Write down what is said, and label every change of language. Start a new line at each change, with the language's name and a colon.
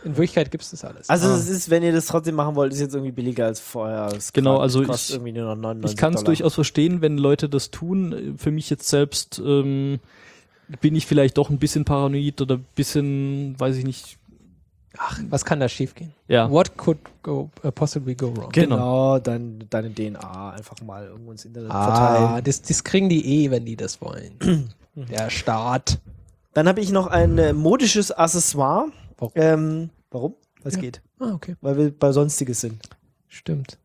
German: In Wirklichkeit gibt es das alles. Also es ist, wenn ihr das trotzdem machen wollt, ist jetzt irgendwie billiger als vorher. Kostet irgendwie nur noch 99 Dollar. Ich kann es durchaus verstehen, wenn Leute das tun. Für mich jetzt selbst bin ich vielleicht doch ein bisschen paranoid oder ein bisschen, weiß ich nicht. Ach, was kann da schief gehen? Ja.
English: What could possibly go wrong?
German: Genau, deine DNA einfach mal irgendwo ins Internet verteilen. Das kriegen die eh, wenn die das wollen. Der Staat. Dann habe ich noch ein modisches Accessoire. Warum? Geht. Ah, okay. Weil wir bei Sonstiges sind. Stimmt.